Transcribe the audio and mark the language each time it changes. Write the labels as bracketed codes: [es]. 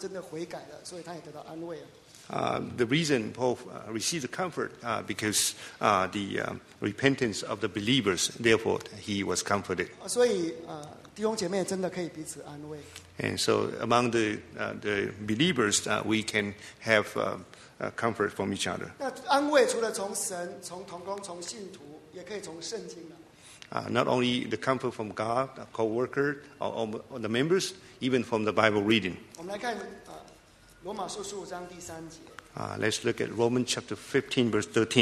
[en] The reason Paul received comfort because the repentance of the believers, therefore he was comforted. [zh] 所以, 弟兄姐妹真的可以彼此安慰。 [en] And so among the believers, we can have comfort from each other. [zh] 那安慰除了从神、从同工、从信徒，也可以从圣经来。 [en] Not only the comfort from God, a co-worker, or the members, even from the Bible reading. [zh] 我们来看, 罗马书15章第3节。 [en] Let's look at Romans chapter 15, verse 13.